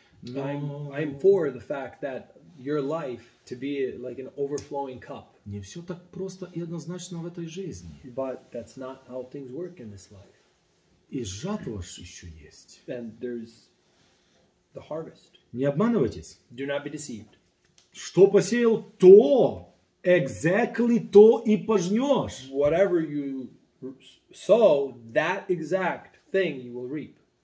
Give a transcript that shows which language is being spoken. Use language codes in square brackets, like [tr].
[ru] Но... [en] I'm for the fact that your life to be like an overflowing cup. [ru] Не все так просто и однозначно в этой жизни. [en] But that's not how things work in this life. [ru] И жатва ж еще есть. [en] And there's the harvest. [ru] Не обманывайтесь. [en] Do not be deceived. [ru] Что посеял, то exactly то и пожнешь. [en] Whatever you sow, that exact thing you will reap.